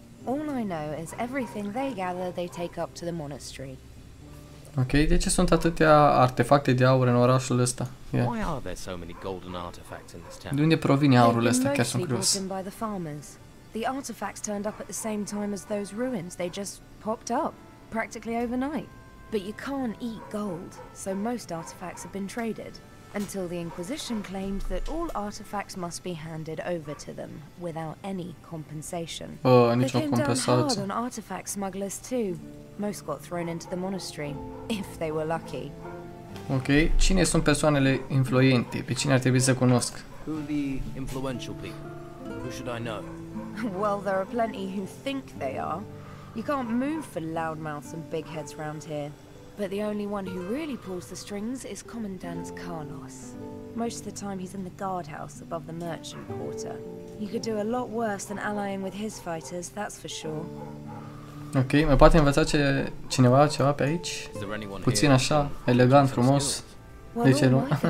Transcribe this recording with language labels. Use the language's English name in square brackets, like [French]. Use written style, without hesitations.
[English] All I know is everything they gather, they take up to the monastery. [Romanian] Ok, de ce sunt atâtea artefacte de aur în orașul ăsta? [English] Yeah. Why are there so many golden artifacts in this town? [Romanian] De unde provine aurul ăsta? Chiar sunt curios. [English] By the farmers. The artifacts turned up at the same time as those ruins. They just popped up practically overnight. But you can't eat gold, so most artifacts have been traded. Until the Inquisition claimed that all artifacts must be handed over to them without any compensation. [Romanian] Nicio compensație. [English] They came down hard on artifact smugglers too. Most got thrown into the monastery, if they were lucky. [Romanian] Ok, cine sunt persoanele influente? Pe cine ar trebui să cunosc? [English] Who are the influential people? Who should I know? Well, there are plenty who think they are. You can't move for loudmouths and big heads round here. But the only one who really pulls the strings is Commandant Carlos. Most of the time he's in the guardhouse above the merchant quarter. He could do a lot worse than allying with his fighters, that's for sure. [Romanian] Ok, mă poate învăța cineva ceva pe aici? Puțin așa, elegant, frumos. De ce nu?